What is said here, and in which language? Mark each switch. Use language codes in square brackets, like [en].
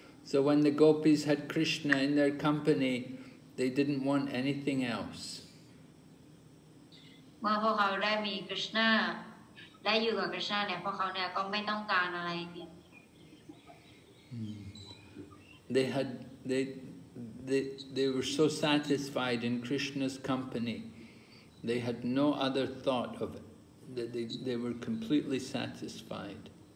[en] So when the gopis had Krishna in their company, they didn't want anything else. [th] เมื่อพวกเขาได้มีคริสต์นาได้อยู่กับคริสต์นาเนี่ยพวกเขาเนี่ยก็ไม่ต้องการอะไรเลย [en] They had they they were so satisfied in Krishna's company, they had no other thought of it, that they were completely satisfied.